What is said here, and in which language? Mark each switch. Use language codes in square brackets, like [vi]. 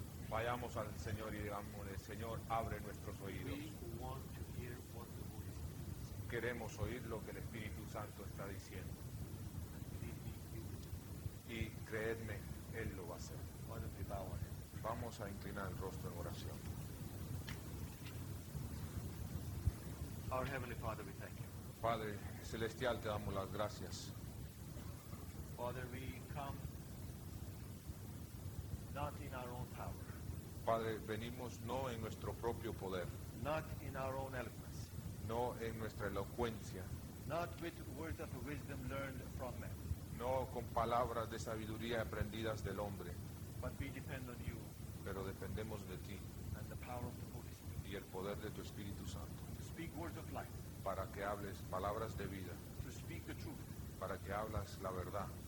[es] Vayamos al Señor y digámosle: Señor, abre nuestros oídos. [en] We want to hear what the Holy Spirit says. [es] Queremos oír lo que el Espíritu Santo está diciendo. [en] And believe me, he will. [es] Y creedme, Él lo va a hacer. [en] Why don't we bow our head? [es] Vamos a inclinar el rostro en oración. [en] Our Heavenly Father, we thank you. [es] Padre Celestial, te damos las gracias. [en] Father, we come not in our own power. [es] Padre, venimos no en nuestro propio poder. [en] Not in our own eloquence. [es] No en nuestra elocuencia. [en] Not with words of wisdom learned from men. [es] No con palabras de sabiduría aprendidas del hombre. [en] But we depend on you. [es] Pero dependemos de ti. [en] And the power of the Holy Spirit. [es] Y el poder de tu Espíritu Santo. [en] To speak words of life. [es] Para que hables palabras de vida. [en] To speak the truth. [es] Para que hables la verdad.